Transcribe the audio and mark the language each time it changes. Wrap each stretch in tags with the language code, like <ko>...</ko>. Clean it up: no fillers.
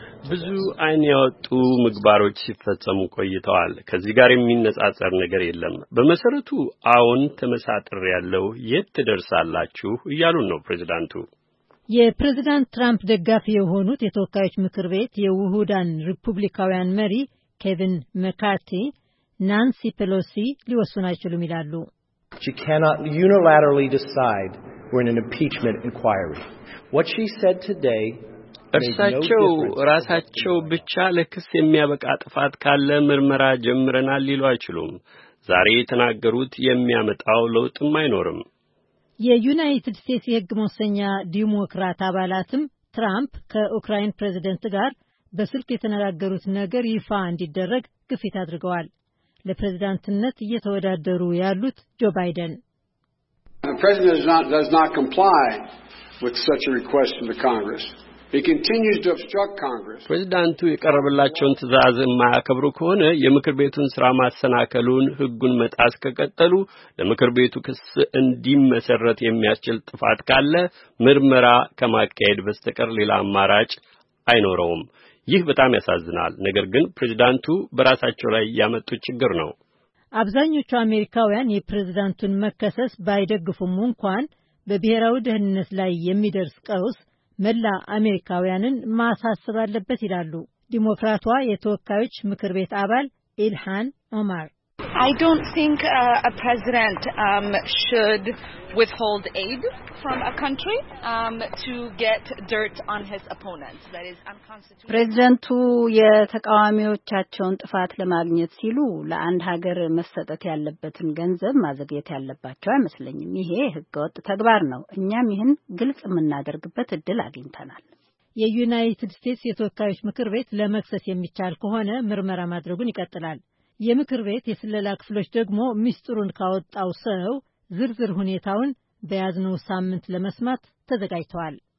<am>ብዙ አይን ያወጡ ምግባሮች ሲፈጸሙ ቆይተዋል። ከዚህ ጋር የሚነጻጸር ነገር የለም። በመሰረቱ አሁን ተመሳጥር ያለው የት ትደርሳላችሁ እያሉ ነው ፕሬዝዳንቱ። የፕሬዝዳንት ትራምፕ ደጋፊ የሆኑት የተወካዮች ምክር ቤት የውሁዳን ሪፑብሊካውያን መሪ ኬቪን መካርቲ ናንሲ ፔሎሲ ሊወስኑ አይችሉም ይላሉ።</am> <en>She cannot unilaterally decide we're in an impeachment inquiry. What she said today</en> <am>እርሳቸው ራሳቸው ብቻ ለክስ የሚያበቃ ጥፋት ካለ ምርመራ ጀምረናል ሊሉ አይችሉም። ዛሬ ተናገሩት የሚያመጣው ለውጥም አይኖርም። የዩናይትድ ስቴትስ የሕግ መወሰኛ ዲሞክራት አባላትም ትራምፕ ከዩክሬን ፕሬዝዳንት ጋር በስልክ የተነጋገሩት ነገር ይፋ እንዲደረግ ግፊት አድርገዋል። ለፕሬዝዳንትነት እየተወዳደሩ ያሉት ጆ ባይደን</am> <en>does not comply with such a request from the Congress. He continues to obstruct Congress.</en> <am>ፕሬዝዳንቱ የቀረበላቸውን ትዛዝ ማያከብሩ ከሆነ የምክር ቤቱን ሥራ ማሰናከሉን ሕጉን መጣስ ከቀጠሉ ለምክር ቤቱ ክስ እንዲመሰረት የሚያስችል ጥፋት ካለ ምርመራ ከማካሄድ በስተቀር ሌላ አማራጭ አይኖረውም። ይህ በጣም ያሳዝናል። ነገር ግን ፕሬዝዳንቱ በራሳቸው ላይ ያመጡት ችግር ነው። አብዛኞቹ አሜሪካውያን የፕሬዝዳንቱን መከሰስ ባይደግፉም እንኳን በብሔራዊ ደህንነት ላይ የሚደርስ ቀውስ መላ አሜሪካውያንን ማሳሰብ አለበት ይላሉ ዲሞክራቷ የተወካዮች ምክር ቤት አባል ኢልሃን ኦማር።</am> <en>I don't think a president should withhold aid from a country to get dirt on his opponents. That is unconstitutional.</en> <am>ፕሬዝዳንቱ የተቃዋሚዎቻቸውን ጥፋት ለማግኘት ሲሉ ለአንድ ሀገር መሰጠት ያለበትን ገንዘብ ማዘግየት ያለባቸው አይመስለኝም። ይሄ ህገወጥ ተግባር ነው። እኛም ይሄን ግልጽ ምናደርግበት እድል አግኝተናል። የዩናይትድ ስቴትስ የተወካዮች ምክር ቤት ለመክሰስ የሚቻል ከሆነ ምርመራ ማድረጉን ይቀጥላል። የምክር ቤት የስለላ ክፍሎች ደግሞ ሚስጥሩን ካወጣው ሰው ዝርዝር ሁኔታውን በያዝነው ሳምንት ለመስማት ተዘጋጅተዋል።</am>